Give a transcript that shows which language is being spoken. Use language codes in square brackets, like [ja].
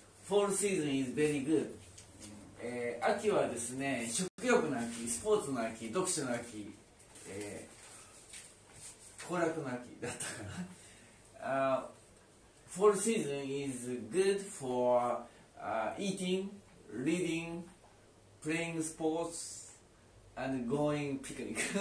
[en] Fall season is very good. [ja] 秋はですね、食欲の秋、スポーツの秋、読書の秋、行楽の秋だったかな。 [en] Fall season is good for eating, reading, playing sports, and going picnic.